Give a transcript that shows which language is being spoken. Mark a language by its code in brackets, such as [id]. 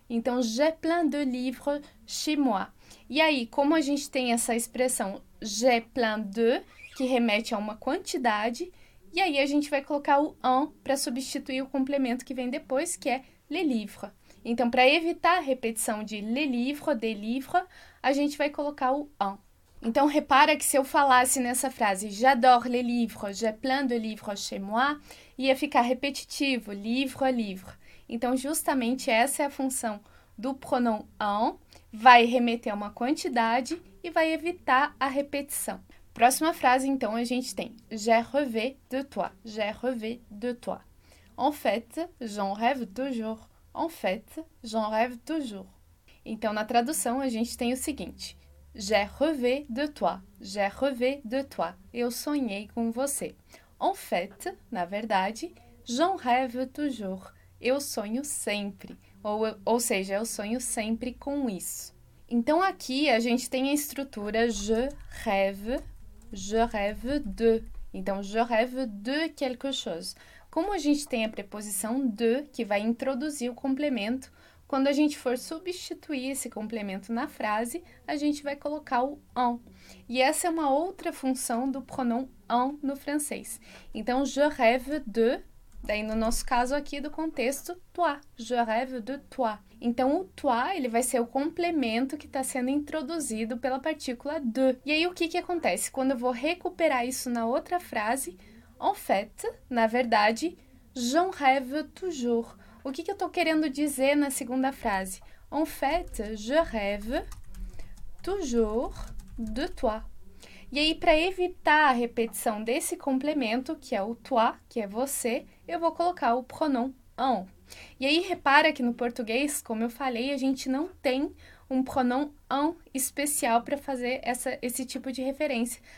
[pt] Então, [fr] j'ai plein de livres chez moi. [pt] E aí, como a gente tem essa expressão [fr] j'ai plein de, [pt] que remete a uma quantidade, e aí a gente vai colocar o en para substituir o complemento que vem depois, que é [fr] les livres. [pt] Então, para evitar a repetição de [fr] les livres, des livres, [pt] a gente vai colocar o en. Então, repara que se eu falasse nessa frase [fr] j'adore les livres, j'ai plein de livres chez moi, [pt] ia ficar repetitivo, livre, livre. Então, justamente essa é a função do pronom en. Vai remeter a uma quantidade e vai evitar a repetição. Próxima frase, então, a gente tem [fr] J'ai rêvé de toi. J'ai rêvé de toi. En fait, j'en rêve toujours. En fait, j'en rêve toujours. [pt] Então, na tradução, a gente tem o seguinte: [fr] J'ai rêvé de toi. J'ai rêvé de toi. [pt] Eu sonhei com você. [fr] En fait, [pt] na verdade, [fr] j'en rêve toujours. [pt] Eu sonho sempre. Ou seja, eu sonho sempre com isso. Então, aqui a gente tem a estrutura je rêve de. Então, [fr] je rêve de quelque chose. [pt] Como a gente tem a preposição de, que vai introduzir o complemento, quando a gente for substituir esse complemento na frase, a gente vai colocar o en. E essa é uma outra função do pronom en no francês. Então, [fr] je rêve de. [pt] Daí, no nosso caso aqui do contexto, toi. [fr] Je rêve de toi. [pt] Então, o toi, ele vai ser o complemento que está sendo introduzido pela partícula de. E aí, o que que acontece? Quando eu vou recuperar isso na outra frase, [fr] en fait, [pt] na verdade, [fr] j'en rêve toujours. [pt] O que que eu estou querendo dizer na segunda frase? [fr] En fait, je rêve toujours de toi. [pt] E aí, para evitar a repetição desse complemento, que é o toi, que é você, eu vou colocar o pronom en. E aí, repara que no português, como eu falei, a gente não tem um pronom en especial para fazer esse tipo de referência.